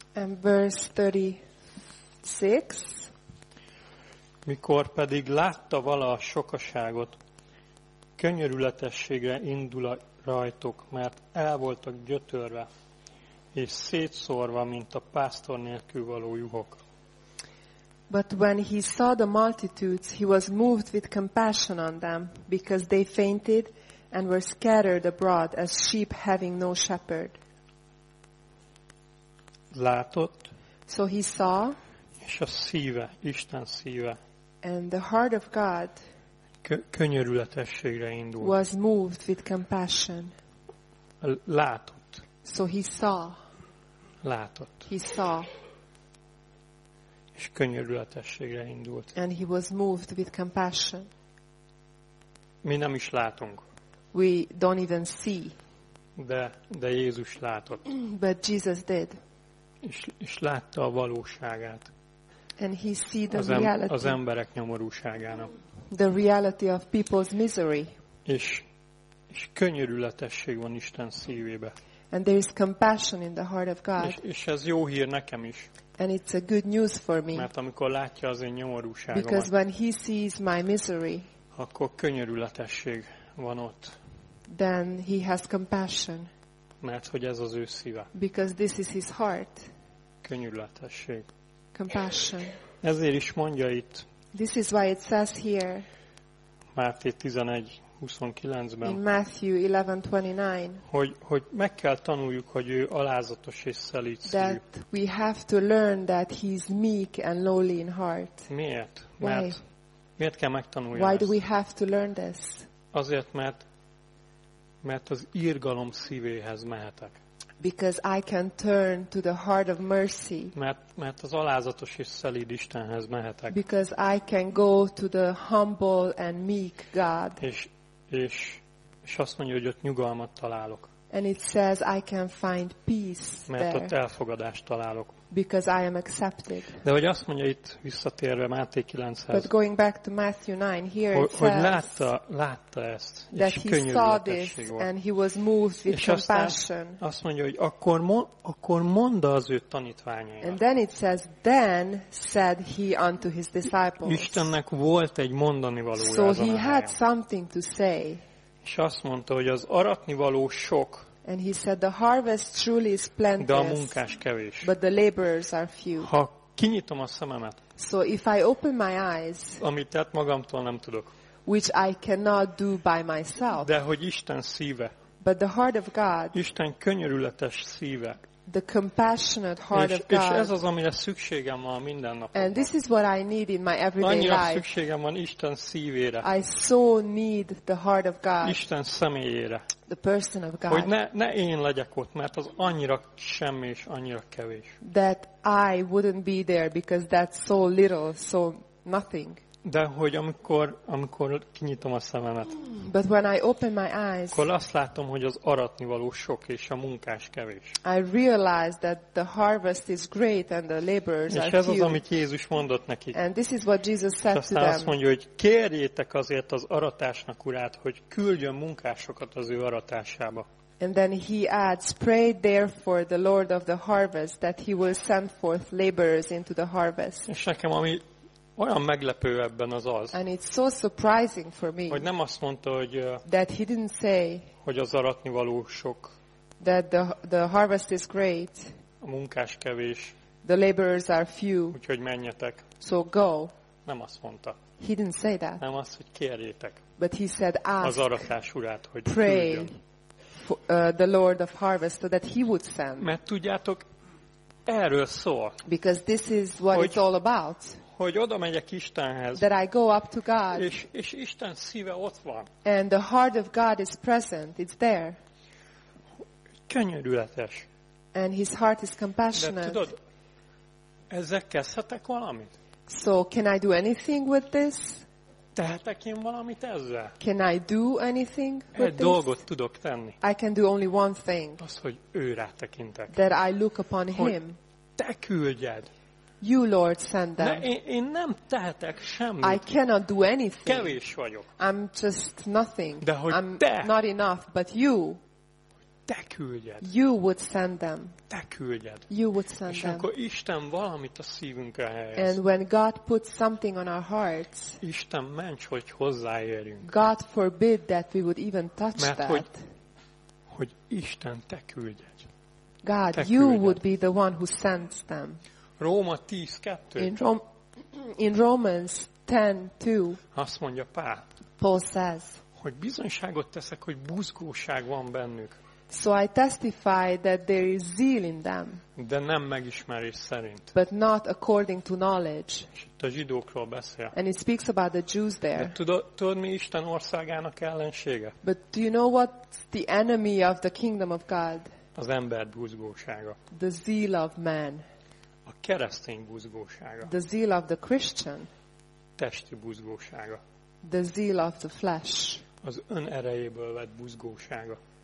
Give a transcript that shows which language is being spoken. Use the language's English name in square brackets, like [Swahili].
[English] And verse 36. [Hungarian] Mikor pedig látta vala a sokaságot, könyörületességre indul rajtok, mert el voltak gyötörve, és szétszórva, mint a pásztor nélkül való juhok. [English] But when he saw the multitudes, he was moved with compassion on them, because they fainted and were scattered abroad as sheep having no shepherd. [Hungarian] Látott. [English] So he saw. [Hungarian] És a szíve, Isten szíve. [English] And the heart of God. [Hungarian] Könyörületességre indult. [English] Was moved with compassion. [Hungarian] Látott. [English] So he saw. [Hungarian] Látott. [English] He saw. [Hungarian] És könyörületességre indult. [English] And he was moved with compassion. [Hungarian] Mi nem is látunk. [English] We don't even see. [Hungarian] De Jézus látott. [English] But Jesus did. [Hungarian] És látta a valóságát. [English] And he see the reality. [Hungarian] Az emberek nyomorúságának. [English] The reality of people's misery. [Hungarian] És könyörületesség van Isten szívébe. [English] And there is compassion in the heart of God. [Hungarian] És ez jó hír nekem is. [English] And it's a good news for me. [Hungarian] Mert amikor látja az én nyomorúságomat. [English] Because when he sees my misery. [Hungarian] Akkor könyörületesség van ott. [English] Then he has compassion. [Hungarian] Mert hogy ez az ő szíve. [English] Because this is his heart. [Hungarian] Könyörületesség. [English] Compassion. [Hungarian] Ezért is mondja itt. [English] This is why it says here. [Hungarian] Máté 11:29-ben. [English] In Matthew 11:29. [Hungarian] Hogy meg kell tanuljuk, hogy ő alázatos és szelíd szívű. [English] That we have to learn that he is meek and lowly in heart. [Hungarian] Miért? Miért kell megtanulni? [English] Why [Hungarian] ezt? [English] Do we have to learn this? [Hungarian] Azért, mert az irgalom szívéhez mehetek. [English] Because I can turn to the heart of mercy. [Hungarian] Mert az alázatos és szelíd Istenhez mehetek. [English] Because I can go to the humble and meek God. [Hungarian] És azt mondja, hogy ott nyugalmat találok. [English] And it says I can find peace [Hungarian] mert [English] there. [Hungarian] Mert ott elfogadást találok. [English] Because I am accepted. [Hungarian] De hogy azt mondja itt visszatérve Máté 9-hez. [English] But going back to Matthew 9, here it [Hungarian] hogy látta ezt, és könyörületesség volt. [English] And he was moved with [Hungarian] és [English] compassion. [Hungarian] Azt mondja, hogy akkor mondta az ő tanítványainak. [English] And then it says, then said he unto his disciples. [Hungarian] Istennek volt egy mondani valója. [English] So he had something to say. [Hungarian] És azt mondta, hogy az aratni való sok. [English] And he said the harvest truly is plenteous. [Hungarian] De a munkás kevés. [English] But the laborers are few. [Hungarian] Ha kinyitom a szememet. [English] So if I open my eyes. [Hungarian] Amit tett magamtól nem tudok. [English] Which I cannot do by myself. [Hungarian] De hogy Isten szíve. [English] But the heart of God. [Hungarian] Isten könyörületes szíve. [English] The compassionate heart of God. [Hungarian] És ez az, amire szükségem van minden napon. [English] And this is what I need in my everyday [Hungarian] annyira [English] life. [Hungarian] Annyira szükségem van Isten szívére. [English] I so need the heart of God. [Hungarian] Isten személyére. [English] The person of God. [Hungarian] Hogy ne én legyek ott, mert az annyira semmi és annyira kevés. [English] That I wouldn't be there because that's so little, so nothing. [Hungarian] De hogy amikor kinyitom a szememet. [English] But when I open my eyes. [Hungarian] Akkor azt látom, hogy az aratnivaló sok és a munkás kevés. [English] I realize that the harvest is great and the laborers are few. [Hungarian] És ez az, amit Jézus mondott nekik. [English] And this is what Jesus said to them. [Hungarian] Azt mondja, hogy kérjétek azért az aratásnak urát, hogy küldjön munkásokat az ő aratásába. [English] And then he adds, pray therefore the Lord of the harvest that he will send forth laborers into the harvest. [Hungarian] És nekem ami olyan meglepő ebben az az. [English] And it's so surprising for me. [Hungarian] Hogy nem azt mondta, hogy [English] that he didn't say, [Hungarian] hogy az aratni való sok. [English] That the harvest is great. [Hungarian] A munkás kevés. [English] The laborers are few. [Hungarian] Úgyhogy menjetek. [English] So go. [Hungarian] Nem azt mondta. [English] He didn't say that. [Hungarian] Nem azt, hogy kérjétek. [English] But he said ask. [Hungarian] Az aratás urát, hogy [English] pray [Hungarian] küldjön. [English] For, the Lord of harvest so that he would send. [Hungarian] Mert tudjátok, erről szól. [English] Because this is what it's all about. [Hungarian] Hogy oda megyek Istenhez. [English] That I go up to God. [Hungarian] És Isten szíve ott van. [English] And the heart of God is present. It's there. [Hungarian] Könyörületes. [English] And his heart is compassionate. [Hungarian] De tudod, ezzel kezdhetek valamit? [English] So can I do anything with this? [Hungarian] Tehetek én valamit ezzel? [English] Can I do anything with this? [Hungarian] Egy dolgot tudok tenni. [English] I can do only one thing. [Hungarian] Az, hogy őre tekintek. [English] That I look upon him. [Hungarian] Te küldjed. [English] You Lord send them. [Hungarian] Én nem tehetek semmit. [English] I cannot do anything. [Hungarian] Kevés vagyok. [English] I'm just nothing. [Hungarian] De hogy [English] I'm [Hungarian] te. [English] Not enough, but you. [Hungarian] Te küldjed. [English] You would send them. [Hungarian] Te küldjed. [English] You would send [Hungarian] és [English] them. [Hungarian] És akkor Isten valamit a szívünkre helyez. [English] And when God puts something on our hearts. [Hungarian] Isten ments, hogy hozzáérjünk. [English] God forbid that we would even touch [Hungarian] mert [English] that. [Hungarian] Mert hogy Isten te küldjed. [English] God, you would be the one who sends them. [Hungarian] Róma 10:2. [English] In Romans 10:2. [Hungarian] Azt mondja Pál. [English] Paul says. [Hungarian] Hogy bizonyságot teszek, hogy buzgóság van bennük. [English] So I testify that there is zeal in them. [Hungarian] De nem megismerés szerint. [English] But not according to knowledge. [Hungarian] A zsidókról beszél. [English] And he speaks about the Jews there. [Hungarian] Tudod mi Isten országának ellensége? [English] But do you know what's the enemy of the kingdom of God? [Hungarian] Az ember buzgósága. [English] The zeal of man. [Hungarian] A keresztény buzgósága. [English] The zeal of the Christian. [Hungarian] Testi buzgósága. [English] The zeal of the flesh. [Hungarian] Az ön erejéből vett buzgósága.